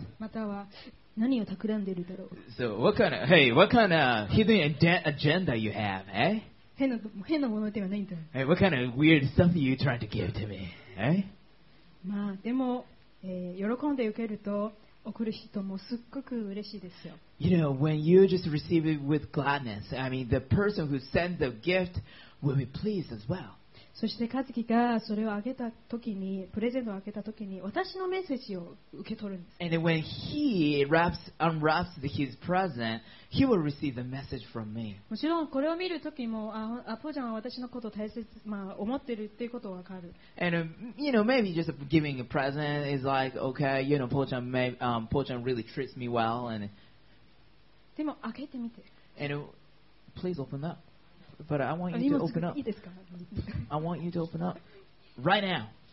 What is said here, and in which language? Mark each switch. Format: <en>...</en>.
<ja>または何を企んでるだろう。</ja> <en>So what kind of hey, what kind of hidden agenda you have, eh?</en> <ja>変なものではないんだ。</ja> <en>Hey, what kind of weird stuff are you trying to give to me, eh?</en> <ja>まあでも、喜んで受けると贈る人もすっごく嬉しいですよ。</ja> <en>You know, when you just receive it with gladness, I mean, the person who sent the gift will be pleased as well.</en> <ja>そしてカズキがそれをあげた時に、プレゼントをあげた時に、私のメッセージを受け取るんです。</ja> <en>And when he unwraps his present, he will receive the message from me.</en> <ja>もちろんこれを見る時も、あ、ポーちゃんは私のことを大切、まあ、思ってるっていうことがわかる。</ja> <en>And, you know, maybe just giving a present is like, okay, you know, ポーちゃん really treats me well and...</en> <ja>でも開けてみて。</ja> <en>And please open up. But I want you to open up.</en> <ja>いいですか？</ja> <en>I want you to open up right now.</en>